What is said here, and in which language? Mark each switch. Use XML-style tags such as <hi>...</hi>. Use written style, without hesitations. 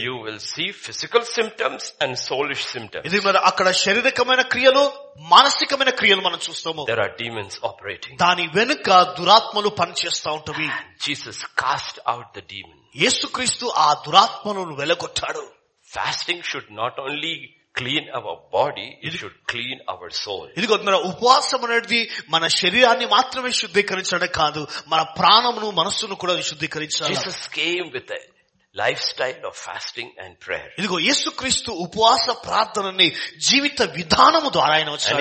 <en>you will see physical symptoms and soulish symptoms.</en> <te>ఇది మరి అక్కడ శారీరకమైన క్రియలు మానసికమైన క్రియలు మనం చూస్తాము.</te> <en>There are demons operating.</en> <te>దాని వెనుక దురాత్మలు పనిచేస్తా ఉంటవి.</te> <en>Jesus cast out the demon.</en> <te>యేసుక్రీస్తు ఆ దురాత్మలను వెలగొట్టాడు.</te> <en>Fasting should not only clean our body, it should clean our soul.</en> <te>ఇదిగో మన ఉపవాసం అనేది మన శరీరాన్ని మాత్రమే శుద్ధీకరించడం కాదు మన ప్రాణమును మనస్సును కూడా శుద్ధీకరించాలి.</te> <en>Jesus came with it. Lifestyle of fasting and prayer.</en> <te>ఇదిగో యేసుక్రీస్తు ఉపవాస ప్రార్థనని జీవిత విధానము ద్వారా ఆయన వచ్చాడు.</te>